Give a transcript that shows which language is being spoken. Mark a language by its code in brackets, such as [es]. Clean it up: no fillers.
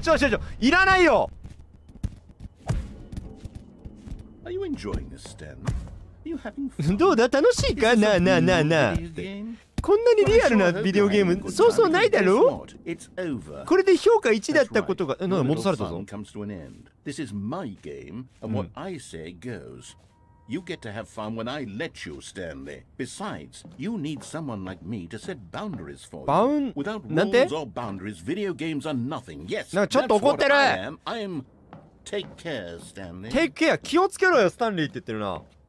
[ja] ちょちょちょ、いらないよ。 [en] Are you enjoying this, Stanley? You having fun? [ja] どうだ、楽しいか？なあなあなあなあ。こんなにリアルなビデオゲーム、そうそうないだろ？ [en] It's over. [ja] これで評価1だったことが、なんか戻されたぞ。 [en] This is my game, and what I say goes. You get to have fun when I let you, Stanley. Besides, you need someone like me to set boundaries for you. Bound? Without rules or boundaries, video games are nothing. Yes, [ja] なんかちょっと怒ってる。 [en] I am. Take care, Stanley. Take care. [ja] 気をつけろよ、スタンリーって言ってるな。